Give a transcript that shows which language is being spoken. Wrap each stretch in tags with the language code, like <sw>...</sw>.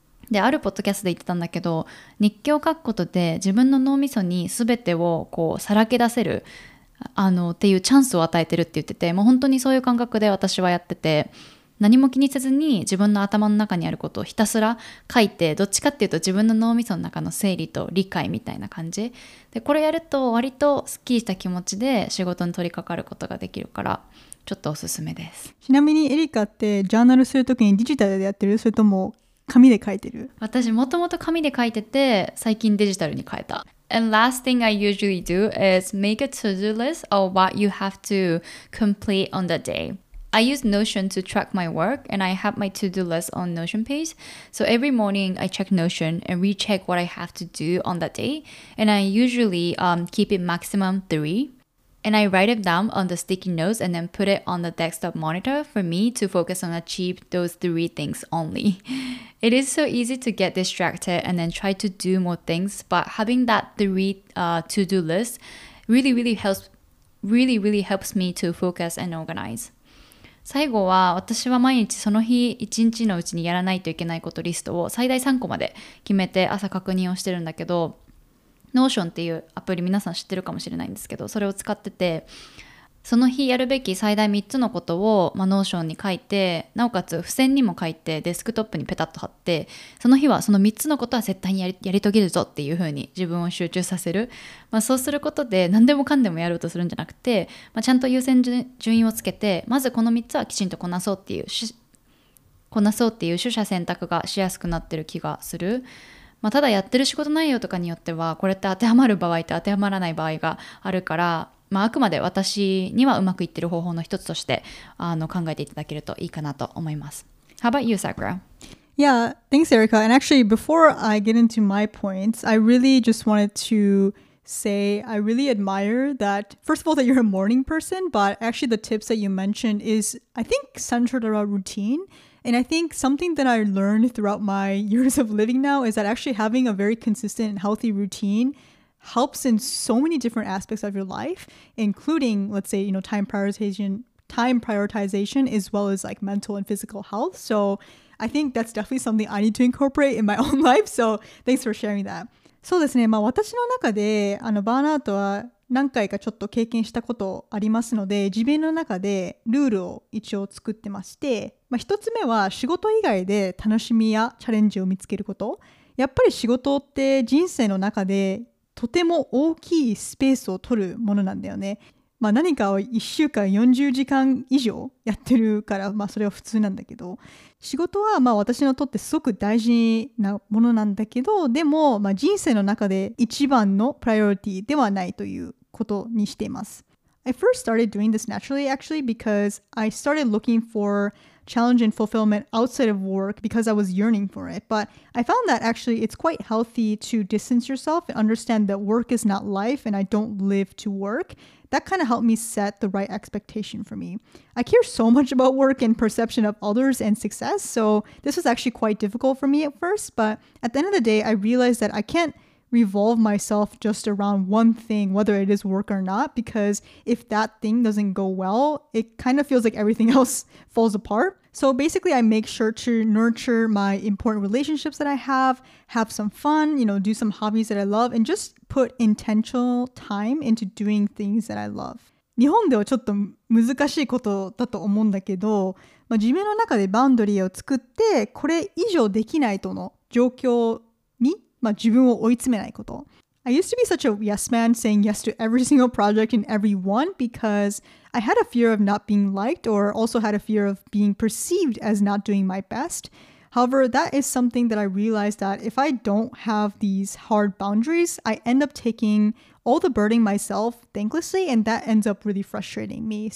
<ja>で、あるポッドキャストで言ってたんだけど、日記を書くことで自分の脳みそに全てをこうさらけ出せるっていうチャンスを与えてるって言ってて、もう本当にそういう感覚で私はやってて、何も気にせずに自分の頭の中にあることをひたすら書いて、どっちかっていうと自分の脳みその中の整理と理解みたいな感じで、これやると割とすっきりした気持ちで仕事に取り掛かることができるからちょっとおすすめです。ちなみにエリカってジャーナルするときにデジタルでやってる、それとも紙で書いてる？私もともと紙で書いてて最近デジタルに変えた。</ja> <en>And last thing I usually do is make a to-do list of what you have to complete on the dayI use Notion to track my work and I have my to-do list on Notion page. So every morning I check Notion and recheck what I have to do on that day. And I usually keep it maximum 3. And I write it down on the sticky notes and then put it on the desktop monitor for me to focus on achieve those 3 things only. It is so easy to get distracted and then try to do more things. But having that 3 to-do list really helps me to focus and organize.</en> <ja>最後は私は毎日その日一日のうちにやらないといけないことリストを最大3個まで決めて朝確認をしてるんだけど、 Notion っていうアプリ皆さん知ってるかもしれないんですけど、それを使ってて、その日やるべき最大3つのことを、まあ、Notion に書いて、なおかつ付箋にも書いてデスクトップにペタッと貼って、その日はその3つのことは絶対にやり遂げるぞっていう風に自分を集中させる、まあ、そうすることで何でもかんでもやろうとするんじゃなくて、まあ、ちゃんと優先順位をつけて、まずこの3つはきちんとこなそうっていう取捨選択がしやすくなってる気がする。まあ、ただやってる仕事内容とかによってはこれって当てはまる場合と当てはまらない場合があるから、まあ、あくまで私にはうまくいってる方法の一つとして考えていただけるといいかなと思います。</ja> <en>How about you, Sakura? Yeah, thanks, Erika. And actually, before I get into my points, I really just wanted to say I really admire that, first of all, that you're a morning person, but actually the tips that you mentioned is, I think, centered around routine. And I think something that I learned throughout my years of living now is that actually having a very consistent and healthy routine helps in so many different aspects of your life, including, let's say, you know, time prioritization, as well as like mental and physical health. So I think that's definitely something I need to incorporate in my own life. So thanks for sharing that.</en> <ja>そうですね。まあ私の中でバーンアウトは何回かちょっと経験したことありますので、自分の中でルールを一応作ってまして、まあ一つ目は仕事以外で楽しみやチャレンジを見つけること。やっぱり仕事って人生の中でとても大きいスペースを取るものなんだよね。まあ何かを1週間40時間以上やってるから、まあそれは普通なんだけど、仕事はまあ私にとってすごく大事なものなんだけど、でもまあ人生の中で一番のプライオリティではないということにしています。</ja> <en>I first started doing this naturally actually because I started looking for challenge and fulfillment outside of work because I was yearning for it. But I found that actually it's quite healthy to distance yourself and understand that work is not life and I don't live to work. That kind of helped me set the right expectation for me. I care so much about work and perception of others and success. So this was actually quite difficult for me at first. But at the end of the day, I realized that I can't revolve myself just around one thing, whether it is work or not, because if that thing doesn't go well, it kind of feels like everything else falls apart. So basically, I make sure to nurture my important relationships that I have some fun, you know, do some hobbies that I love, and just put intentional time into doing things that I love.</en> <ja>日本ではちょっと難しいことだと思うんだけど、まあ、自分の中でバウンドリーを作って、これ以上できないとの状況に、まあ、自分を追い詰めないこと。</ja> <en>I used to be such a yes man, saying yes to every single project and everyone because I had a fear of not being liked or also had a fear of being perceived as not doing my best. However, that is something that I realized that if I don't have these hard boundaries, I end up taking all the burden myself thanklessly and that ends up really frustrating me.</en>